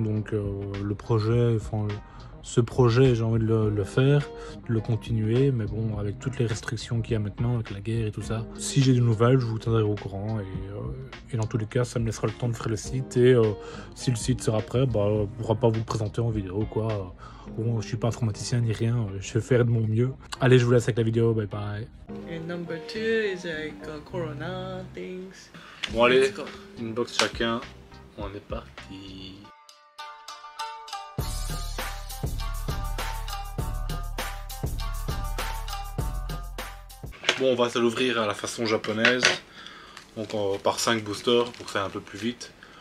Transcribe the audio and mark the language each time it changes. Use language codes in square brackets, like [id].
[fr] Donc le projet, enfin ce projet, j'ai envie de le faire, de le continuer, mais bon, avec toutes les restrictions qu'il y a maintenant, avec la guerre et tout ça. Si j'ai des nouvelles, je vous tiendrai au courant. Et dans tous les cas, ça me laissera le temps de faire le site. Et si le site sera prêt, bah, on pourra pas vous le présenter en vidéo, quoi. Bon, je suis pas informaticien ni rien. Je vais faire de mon mieux. Allez, je vous laisse avec la vidéo. Bye bye. [en] And number two is like Corona things. [fr] Bon allez, une box chacun, on est parti. Bon, on va se l'ouvrir à la façon japonaise. Donc par 5 boosters pour faire un peu plus vite.